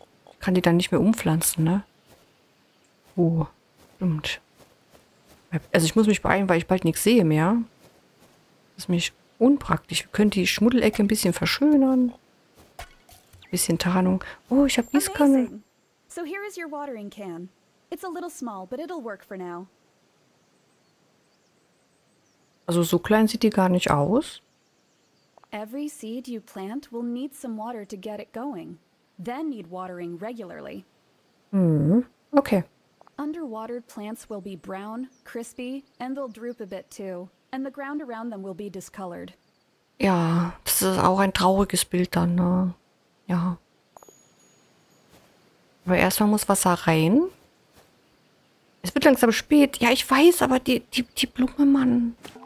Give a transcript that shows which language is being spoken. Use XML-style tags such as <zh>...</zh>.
<de>Ich kann die dann nicht mehr umpflanzen, ne? Oh. Stimmt. Also ich muss mich beeilen, weil ich bald nichts sehe mehr. Das ist nämlich unpraktisch. Wir können die Schmuddelecke ein bisschen verschönern. Ein bisschen Tarnung. Oh, ich habe Gießkanne.</de> <en>So here is your watering can. It's a little small, but it'll work for now.</en> <de>Also so klein sieht die gar nicht aus.</de> <en>Every seed you plant will need some water to get it going. Then need watering regularly. Okay. Underwatered plants will be brown, crispy, and they'll droop a bit too. And the ground around them will be discolored.</en> <de>Ja, das ist auch ein trauriges Bild dann, ne? Ja. Aber erstmal muss Wasser rein. Es wird langsam spät. Ja, ich weiß, aber die Blume, Mann.</de>